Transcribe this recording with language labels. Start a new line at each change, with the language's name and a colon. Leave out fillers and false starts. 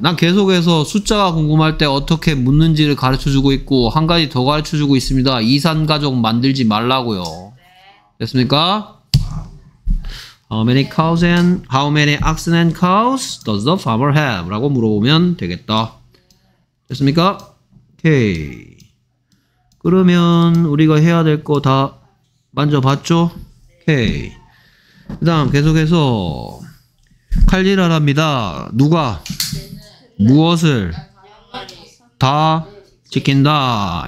Korean: 난 계속해서 숫자가 궁금할 때 어떻게 묻는지를 가르쳐주고 있고 한 가지 더 가르쳐주고 있습니다. 이산가족 만들지 말라고요. 됐습니까?
English: How many cows and how many oxen and cows does the farmer have?
Korean: 라고 물어보면 되겠다. 됐습니까? 오케이. 그러면 우리가 해야 될 거 다 만져봤죠? 오케이. 그 다음 계속해서 칼질하랍니다. 누가? 무엇을? 다 지킨다.